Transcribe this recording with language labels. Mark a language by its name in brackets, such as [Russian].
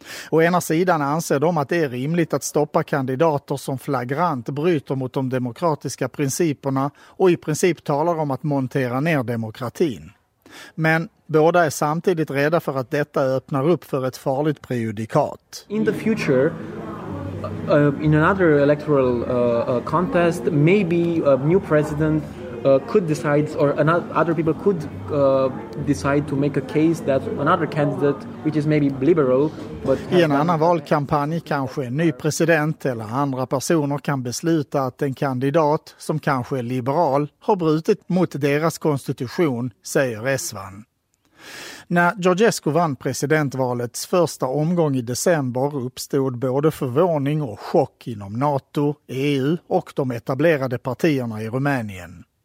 [Swedish] Å ena sidan anser de att det är rimligt att stoppa kandidater som flagrant bryter mot de demokratiska principerna och i princip talar om att montera ner demokratin. Men båda är samtidigt rädda för att detta öppnar upp för ett farligt prejudikat. [English] In the future, in another electoral contest, maybe a new president could decide, or other people could decide to make a case that another candidate, which is maybe liberal, but [Swedish] i en annan valkampanj kanske en ny president eller andra personer kan besluta att en kandidat som kanske är liberal har brutit mot deras konstitution, säger Rezvan. När Georgescu vann presidentvalets första omgång i december uppstod både förvåning och chock inom NATO, EU och de etablerade partierna i Rumänien.